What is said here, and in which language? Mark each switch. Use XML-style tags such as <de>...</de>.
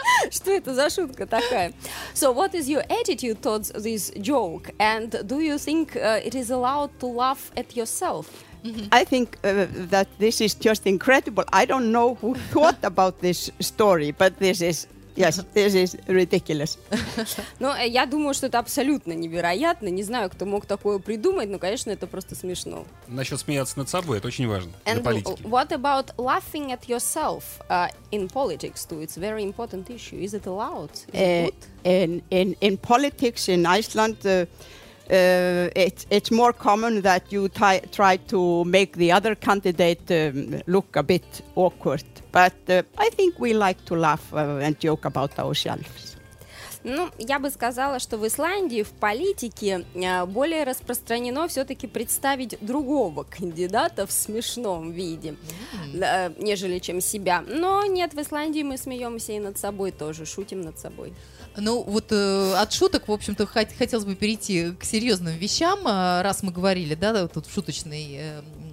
<ru>Что это за шутка такая?</ru> <en>So, what is your attitude towards this joke? And do you think it is allowed to laugh at yourself? Mm-hmm. I think that this is just incredible. I don't know who thought about this story, but this is... Yes, this is ridiculous.</en> <ru>Ну, я думаю, что это абсолютно невероятно. Не знаю, кто мог такое придумать, но, конечно, это просто смешно. Насчет смеяться над собой, это очень важно</ru> <en>and</en> <ru>для политики.</ru> <en>What about laughing at yourself in politics, too? It's a very important issue. Is it allowed? Is it good? In politics in Iceland, it's more common that you try to make the other candidate look a bit awkward. But I think we like to laugh and joke about ourselves.</en> <ru>Ну, я бы сказала, что в Исландии в политике более распространено все-таки представить другого кандидата в смешном виде, нежели чем себя. Но нет, в Исландии мы смеемся и над собой тоже, шутим над собой. Ну вот от шуток, в общем-то, хотелось бы перейти к серьезным вещам, раз мы говорили, да, тут в шуточной...</ru>